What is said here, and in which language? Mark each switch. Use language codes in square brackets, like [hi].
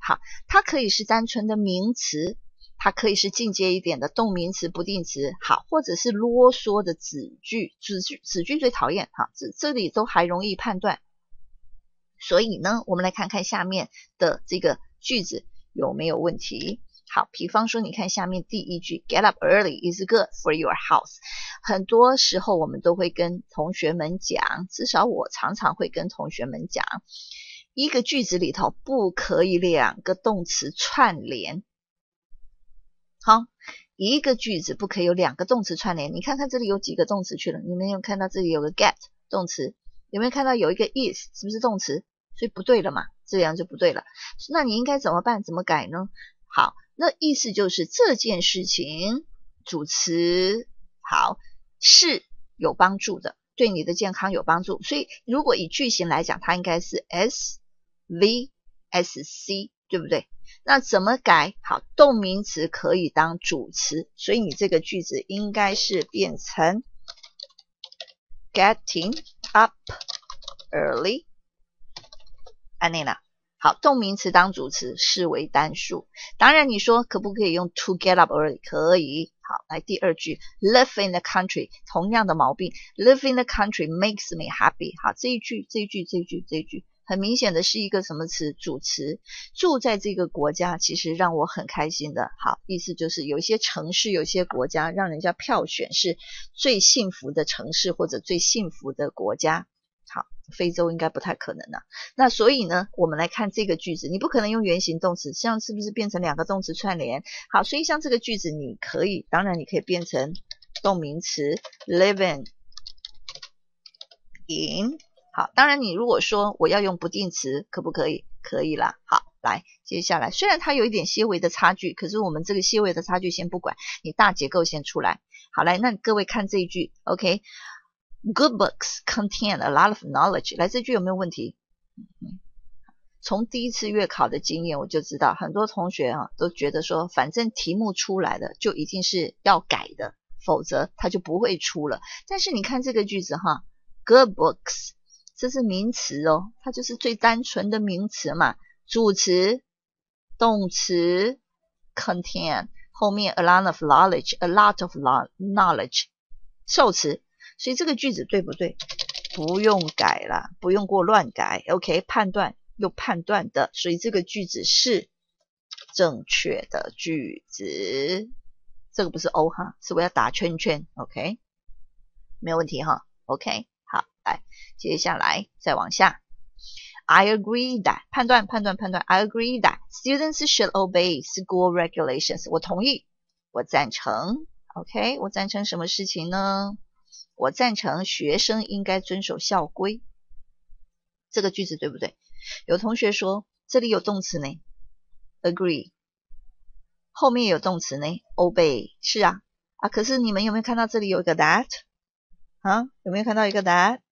[zh] 好，它可以是单纯的名词，它可以是进阶一点的动名词、不定词，好，或者是啰嗦的子句，子句最讨厌，好，这里都还容易判断。所以呢，我们来看看下面的这个句子有没有问题。好，比方说你看下面第一句 [en] Get up early is good for your health。 [zh] 很多时候我们都会跟同学们讲，至少我常常会跟同学们讲，一个句子里头不可以两个动词串联。好，一个句子不可以有两个动词串联。你看看这里有几个动词去了，你们有看到这里有个 get 动词，有没有看到有一个 is 是不是动词，所以不对了嘛，这样就不对了。那你应该怎么办，怎么改呢？好，那意思就是这件事情主词好是有帮助的，对你的健康有帮助，所以如果以句型来讲，它应该是 SVSC 对不对？那怎么改？好，动名词可以当主词，所以你这个句子应该是变成 [en] getting up early [zh] Anina。好，动名词当主词视为单数。当然你说可不可以用 to get up early， 可以。好，来第二句 [en] live in the country， 同样的毛病， live in the country makes me happy。 [zh] 好，这一句很明显的是一个什么词，主词，住在这个国家其实让我很开心的。好，意思就是有些城市有些国家让人家票选是最幸福的城市或者最幸福的国家。好，非洲应该不太可能了。那所以呢，我们来看这个句子，你不可能用原形动词，像是不是变成两个动词串联。好，所以像这个句子你可以，当然你可以变成动名词 living in。好，当然你如果说我要用不定词可不可以，可以啦。好，来接下来，虽然它有一点些微的差距，可是我们这个些微的差距先不管，你大结构先出来。好，来，那各位看这一句， OK， [en] Good books contain a lot of knowledge。 [zh] 来，这句有没有问题？从第一次月考的经验我就知道，很多同学啊都觉得说反正题目出来的就一定是要改的，否则它就不会出了。但是你看这个句子哈， Good books 这是名词哦，它就是最单纯的名词嘛，主词动词 contain 后面 [en] a lot of knowledge， [zh] a lot of knowledge 受词，所以这个句子对不对？不用改了，不用过乱改。OK， 判断又判断的，所以这个句子是正确的句子。这个不是 O 哈，是我要打圈圈。OK， 没有问题哈。 OK， 好，来，接下来再往下。 [en] I agree that [zh] 判断。 [en] I agree that students should obey school regulations。 [zh] 我同意，我赞成。 OK， 我赞成什么事情呢？我赞成学生应该遵守校规，这个句子对不对？有同学说这里有动词呢 agree， 后面有动词呢 obey， 是啊啊，可是你们有没有看到这里有一个 that 啊？有没有看到一个 that？